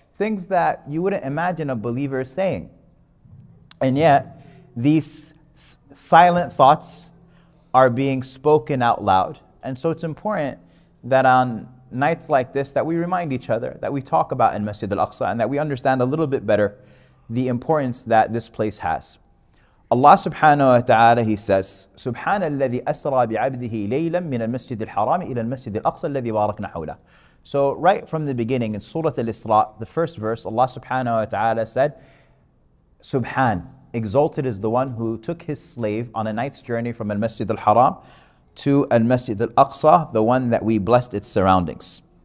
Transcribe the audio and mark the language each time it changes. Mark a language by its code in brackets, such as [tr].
[en] Things that you wouldn't imagine a believer saying. And yet, these silent thoughts are being spoken out loud. And so it's important that on nights like this that we remind each other, that we talk about in Masjid Al-Aqsa, and that we understand a little bit better the importance that this place has. [ar] Allah subhanahu wa ta'ala, he says, سُبْحَانَ الَّذِي أَسْرَى بِعَبْدِهِ لَيْلًا مِنَ الْمَسْجِدِ الْحَرَامِ إِلَى الْمَسْجِدِ الْأَقْصَى الَّذِي بَارَكْنَا حَوْلًا. [en] So right from the beginning in Surah Al-Isra, the first verse, Allah subhanahu wa ta'ala said, Subhan, exalted is the one who took his slave on a night's journey from Al-Masjid Al-Haram to Al-Masjid Al-Aqsa, the one that we blessed its surroundings.